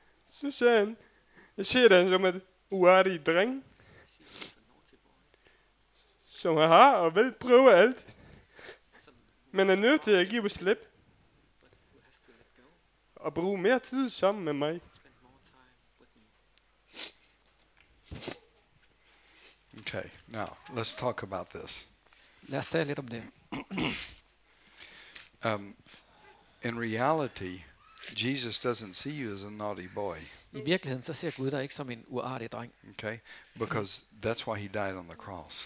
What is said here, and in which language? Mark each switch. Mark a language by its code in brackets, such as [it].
[da] Så sagde han, jeg ser dig som et uartig dreng. Som jeg har og vil prøve alt. Men er nødt til at give slip. Og bruge mere tid sammen med mig. [en] Okay, now, let's talk about this. [da] Lad os tale lidt om det. [en] In reality, Jesus doesn't see you as a naughty boy. [da] I virkeligheden så ser Gud dig ikke som en uartig dreng. [en] Okay, because that's why he died on the cross.